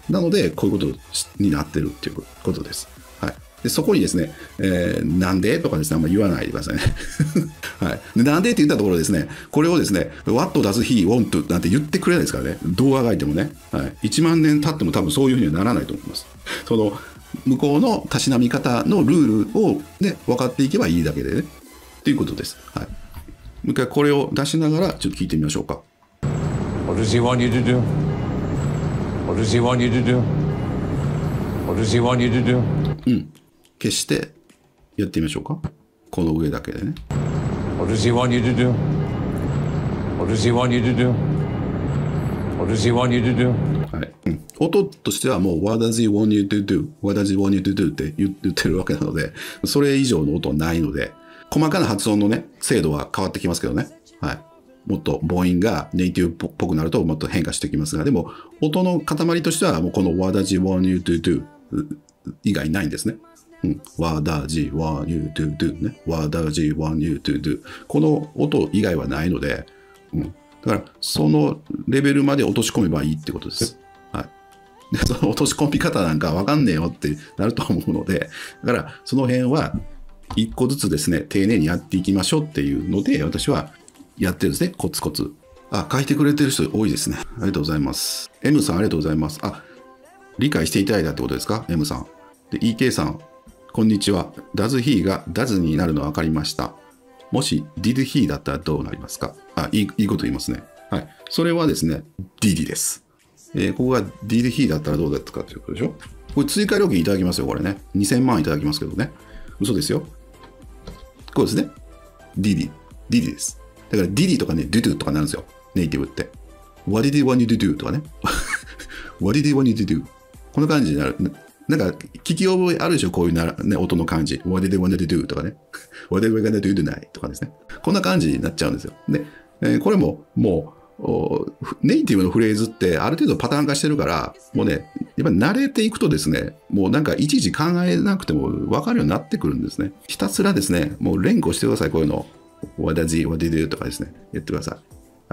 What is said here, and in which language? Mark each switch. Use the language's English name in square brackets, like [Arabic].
[Japanese] なのでこういうことになってるっていうことです。はい、でそこにですね、なんでとかですね、あんま言わないでくださいね、はい、でなんでって言ったところですね、これをですね [English] What does he want [Japanese] なんて言ってくれないですからね、どうあがいてもね、はい、1万年経っても多分そういうふうにはならないと思います。その向こうのたしなみ方のルールを、ね、分かっていけばいいだけでねっていうことです、はい、もう一回これを出しながらちょっと聞いてみましょうか。 [English] What does he want you to do? What does he want you to do? What does he want you to do? [Japanese] うん、消してやってみましょうか。この上だけでね。 [English] What does he want you to do? What does he want you to do? What does he want you to do? [Japanese] はい、うん。音としてはもう [English] What does he want you to do? What does he want you to do? [Japanese] って言ってるわけなので、それ以上の音はないので、細かな発音のね、精度は変わってきますけどね。はい。もっと母音がネイティブっぽくなるともっと変化してきますが、でも音の塊としてはもうこの [English] What does he want you to do? [Japanese] 以外ないんですね。うん、 [English] What does he want you to do? [Japanese] ね、 [English] What does he want you to do? [Japanese] この音以外はないので、うん、だからそのレベルまで落とし込めばいいってことです、はい、でその落とし込み方なんか分かんねえよってなると思うので、だからその辺は一個ずつですね丁寧にやっていきましょうっていうので、私はやってるんですね、コツコツ。あ、書いてくれてる人多いですね、ありがとうございます。M さんありがとうございます。あ、理解していただいたってことですか、 M さん。で EK さん、こんにちは。Does he が Does になるのは分かりました。もし Did he だったらどうなりますか。あ、いいこと言いますね。はい。それはですね、Did です。ここが DDP だったらどうだったかということでしょ。これ追加料金いただきますよ、これね。 2000万いただきますけどね。嘘ですよ。こうですね。DD。 DD です。だから DD とかね、DoDo とかなるんですよ。ネイティブって。 [English] What did you want you to do? [Japanese] とかね。 [English] What did you want you to do? [Japanese] こんな感じになる。なんか、聞き覚えあるでしょ、こういうなら、ね、音の感じ。 [English] What did you want you to do? [Japanese] とかね。 [English] What did you want you to do tonight? [Japanese] とかですね。こんな感じになっちゃうんですよ。で、これも、もう、ネイティブのフレーズってある程度パターン化してるから、もうね、やっぱ慣れていくとですね、もうなんかいちいち考えなくても分かるようになってくるんですね。ひたすらですね、もう連呼してください、こういうの。 [English] What does he, what did you [Japanese] とかですね、言ってください。